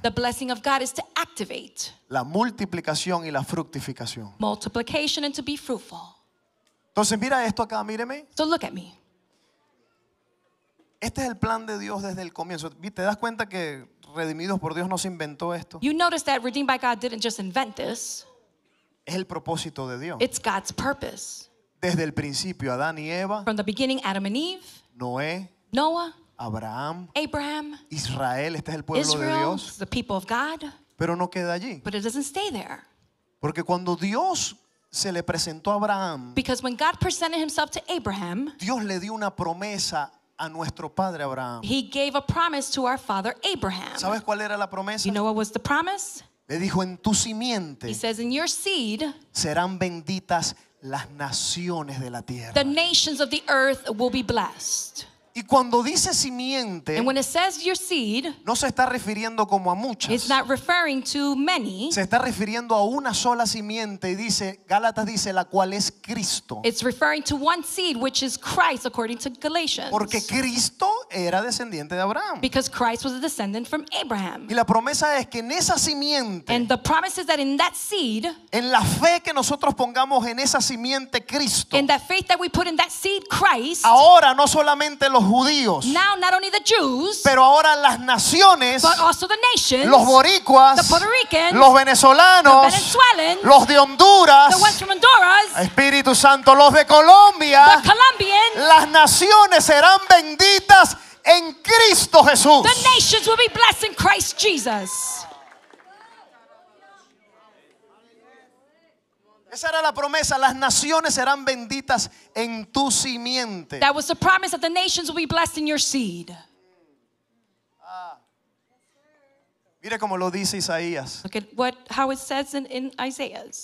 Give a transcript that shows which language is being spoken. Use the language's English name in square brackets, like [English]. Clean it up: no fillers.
[English] The blessing of God is to activate. [Spanish] La multiplicación y la fructificación. [English] Multiplication and to be fruitful. [Spanish] Entonces mira esto acá, míreme. [English] So look at me. [Spanish] Este es el plan de Dios desde el comienzo. ¿Te das cuenta que redimidos por Dios no se inventó esto? [English] You notice that redeemed by God didn't just invent this. [Spanish] Es el propósito de Dios. [English] It's God's purpose. [Spanish] Desde el principio, Adán y Eva. [English] From the beginning, Adam and Eve. [Spanish] Noé. [English] Noah. [Spanish] Abraham. [English] Abraham. [Spanish] Israel, este es el pueblo [English] Israel, [Spanish] de Dios. [English] The people of God. [Spanish] Pero no queda allí. [English] But it doesn't stay there. [Spanish] Porque cuando Dios se le presentó a Abraham. [English] Because when God presented himself to Abraham. [Spanish] Dios le dio una promesa a nuestro padre Abraham. [English] He gave a promise to our father Abraham. [Spanish] ¿Sabes cuál era la promesa? [English] You know what was the promise? [Spanish] Le dijo, en tu simiente. [English] He says, in your seed. [Spanish] Serán benditas las naciones de la tierra. [English] The nations of the earth will be blessed. [Spanish] Y cuando dice simiente, [English] and when it says your seed, [Spanish] no se está refiriendo como a muchas. [English] It's not referring to many. [Spanish] Se está refiriendo a una sola simiente. Dice, Gálatas dice, la cual es Cristo. [English] It's referring to one seed, which is Christ, according to Galatians. [Spanish] Porque Cristo era descendiente de Abraham. [English] Because Christ was a descendant from Abraham. [Spanish] Y la promesa es que en esa simiente, [English] and the promise is that in that seed, [Spanish] en la fe que nosotros pongamos en esa simiente Cristo, [English] in that faith that we put in that seed Christ, [Spanish] ahora no solamente los judíos, [English] now not only the Jews, [Spanish] pero ahora las naciones, [English] but also the nations, [Spanish] los boricuas, [English] the Puerto Ricans, [Spanish] los venezolanos, [English] the Venezuelans, [Spanish] los de Honduras, [English] the West from Honduras, [Spanish] Espíritu Santo, los de Colombia, [English] the Colombians, [Spanish] las naciones serán benditas en Cristo Jesús. [English] The nations will be blessed in Christ Jesus. [Spanish] Esa era la promesa, las naciones serán benditas en tu simiente. [English] That was the promise that the nations will be blessed in your seed. [Spanish] Mire como lo dice Isaías. [English] Look at what, how it says in Isaiah.